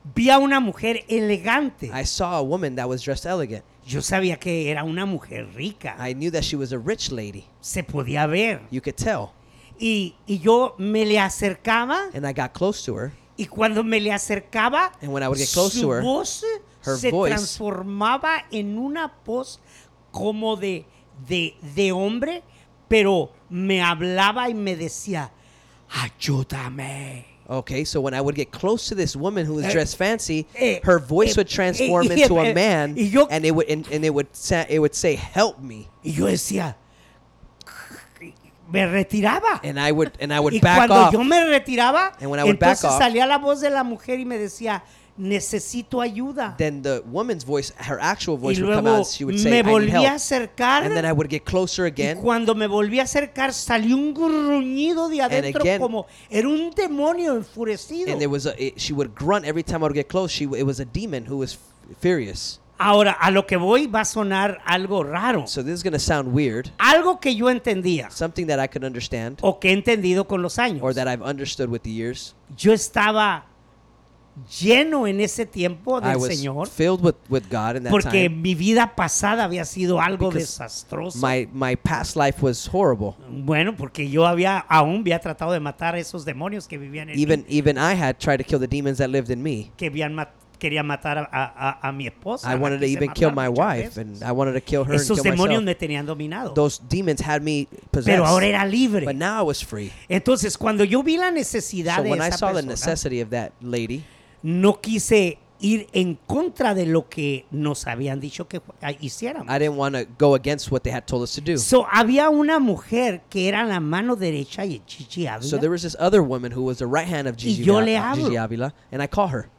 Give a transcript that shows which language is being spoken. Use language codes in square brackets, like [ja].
[es] Vi a una mujer elegante. [en] I saw a woman that was dressed elegant. [es] Yo sabía que era una mujer rica. [en] I knew that she was a rich lady. [es] Se podía ver. [en] You could tell. [es] Y yo me le acercaba. [en] And I got close to her. [es] Y cuando me le acercaba, [en] and when I would get close to her, [es] voz [en] her [es] se [en] voice [es] transformaba en una voz como de hombre, pero me hablaba y me decía, ayúdame. [en] Okay, so when I would get close to this woman who was dressed fancy, her voice would transform into a man, and it would say, help me. [es] Y yo decía, me retiraba. [en] And I would back off. [es] Y cuando yo me retiraba, entonces salía la voz de la mujer y me decía, necesito ayuda. [en] Then the woman's voice, her actual voice, [es] y luego [en] would come out. She would say, [es] me volví a acercar. [en] And then I would get closer again. [es] Y cuando me volví a acercar, salió un gruñido de adentro, [en] again, [es] como era un demonio enfurecido. [en] And there was she would grunt every time I would get close. It was a demon who was furious. [es] Ahora, a lo que voy va a sonar algo raro. [en] So this is going to sound weird. [es] Algo que yo entendía. [en] Something that I could understand. [es] O que he entendido con los años. [en] Or that I've understood with the years. [es] Yo estaba lleno en ese tiempo del Señor. [en] I was filled with God in that [es] porque [en] time. [es] Porque mi vida pasada había sido algo desastroso. [en] My past life was horrible. [es] Bueno, porque yo aún había tratado de matar a esos demonios que vivían en [en] even, [es] mí. [en] Even I had tried to kill the demons that lived in me. [es] Que habían matado. Quería matar a mi esposa. [en] I wanted to even kill my wife, and I wanted to kill her. [es] Esos demonios me tenían dominado. [en] Those demons had me possessed. [es] Pero ahora era libre. [en] But now I was free. [es] Entonces, cuando yo vi la necesidad de esa persona, [en] so when I saw the necessity of that lady, [es] no quise ir en contra de lo que nos habían dicho que hiciéramos. [en] I didn't want to go against what they had told us to do. [es] So había una mujer que era la mano derecha de Gigi Ávila. [en] So there was this other woman who was the right hand of Gigi Ávila, and I call her.